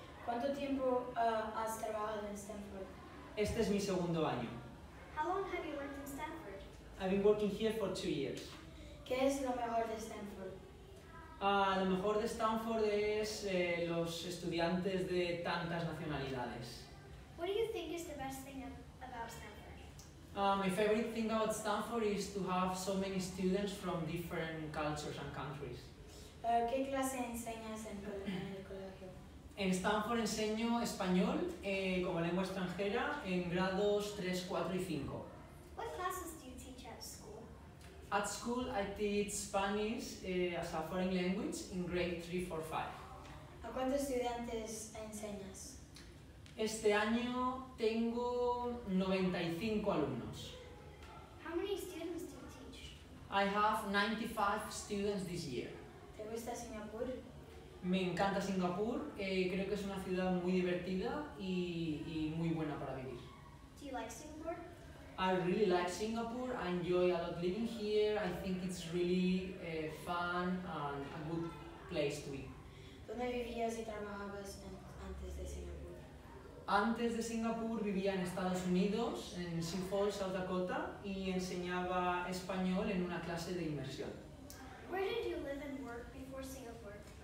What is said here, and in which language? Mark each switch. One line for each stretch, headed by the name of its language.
Spanish: ¿Cuánto tiempo has trabajado en Stanford? Este es mi segundo año.
English: How long have you worked in Stanford? I've been working here for 2 years.
Spanish: ¿Qué es lo mejor de Stanford? Lo mejor de Stanford es los estudiantes de tantas nacionalidades.
English: What do you think is the best thing about Stanford? My favorite thing about Stanford is to have so many students from different cultures and countries.
Spanish: ¿Qué clase enseñas en el colegio? En Stanford enseño español como lengua extranjera en grados 3, 4 y 5.
English: What classes do you teach at school? At school I teach Spanish as a foreign language in grade 3, 4, 5.
Spanish: ¿A cuántos estudiantes enseñas? Este año tengo 95 alumnos.
English: How many students do you teach? I have 95 students this year.
Spanish: ¿Te gusta Singapur? Me encanta Singapur. Creo que es una ciudad muy divertida y muy buena para vivir.
English: Do you like Singapore? I really like Singapore. I enjoy a lot living here. I think it's really fun and a good place to be.
Spanish: ¿Dónde vivías y trabajabas antes de Singapur? Antes de Singapur vivía en Estados Unidos, en Sioux Falls, South Dakota, y enseñaba español en una clase de inmersión.
English: Where did you live and work before Singapore?